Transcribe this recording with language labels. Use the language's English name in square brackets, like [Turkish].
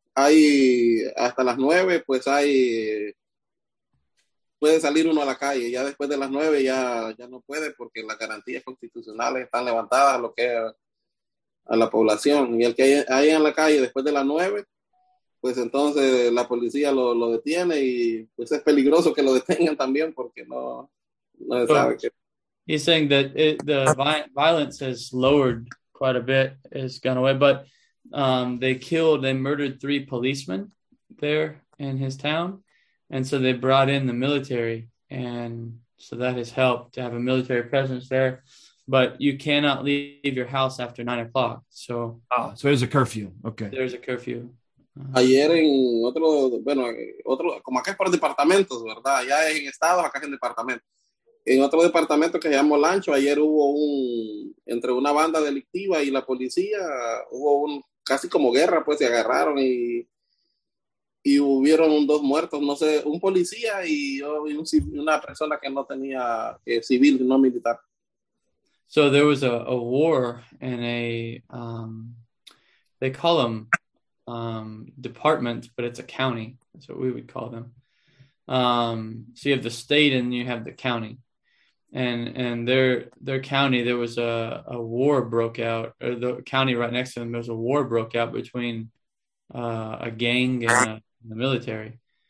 [Spanish] Hay hasta las 9, pues hay, puede salir uno a la calle, ya después de las 9 ya no puede porque las garantías constitucionales están levantadas, lo que es a la población, y el que hay en la calle después de las 9, pues entonces la policía lo detiene y pues es peligroso que lo detengan también porque no se sabe que... [English] He's saying that the violence has lowered quite a bit, has gone away, but they murdered three policemen there in his town, and so they brought in the military, and so that has helped to have a military presence there. But you cannot leave your house after 9 o'clock. So, so there's a curfew. Okay. There's a curfew. [Spanish] Ayer en otro, bueno, otro, como acá es por departamentos, ¿verdad? Ya es en estado, acá es en departamento. En otro departamento que se llama Lancho, ayer hubo un, entre una banda delictiva y la policía, hubo un, casi como guerra, pues se agarraron y hubieron dos muertos, no sé, un policía y una persona que no tenía civil, no militar. [English] So there was a war in a, they call them departments, but it's a county. That's what we would call them. So you have the state and you have the county. And their county, there was a war broke out, or the county right next to them, there was a war broke out between a gang and the military.